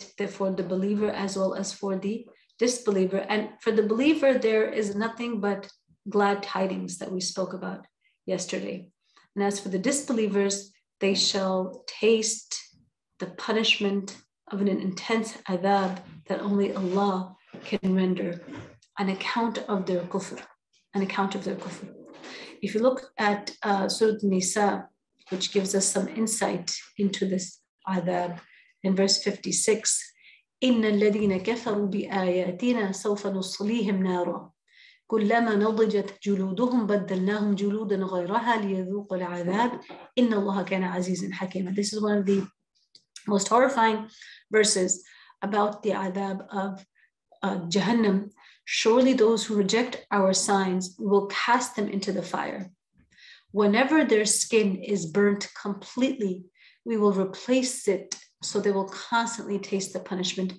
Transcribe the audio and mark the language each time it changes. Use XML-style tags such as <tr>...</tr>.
<en>For the believer as well as for the disbeliever. And for the believer, there is nothing but glad tidings that we spoke about yesterday. And as for the disbelievers, they shall taste the punishment of an intense adab that only Allah can render on account of their kufr, on account of their kufr. If you look at Surah Nisa, which gives us some insight into this adab, in verse 56,</en> <ar>إِنَّ الَّذِينَ كَفَرُوا بِآيَاتِنَا سَوْفَ نُصْلِيهِمْ نَارًا كُلَّمَا نَضِجَتْ جُلُودُهُمْ بَدَّلْنَاهُمْ جُلُودًا غَيْرَهَا لِيَذُوقُ الْعَذَابِ إِنَّ اللَّهَ كَانَ عَزِيزٍ حَكِيمًا.</ar> <en>This is one of the most horrifying verses about the adab of Jahannam. Surely those who reject our signs will cast them into the fire. Whenever their skin is burnt completely, we will replace it so they will constantly taste the punishment.</en>